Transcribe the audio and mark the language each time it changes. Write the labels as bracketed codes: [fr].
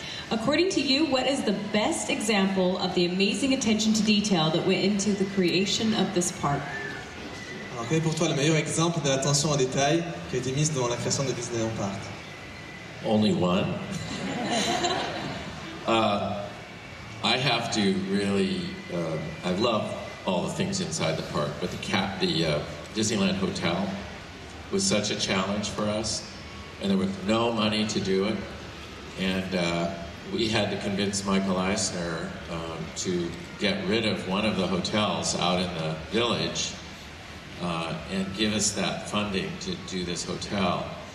[en] According to you, what is the best example of the amazing attention to detail that went into the creation of this park? [fr] Alors, quel est pour toi le meilleur exemple de l'attention au détail qui a été mise dans la création de Disneyland Park? [en] Only one. I have to really, I love all the things inside the park, but the Disneyland Hotel was such a challenge for us, and there was no money to do it, and we had to convince Michael Eisner to get rid of one of the hotels out in the village and give us that funding to do this hotel.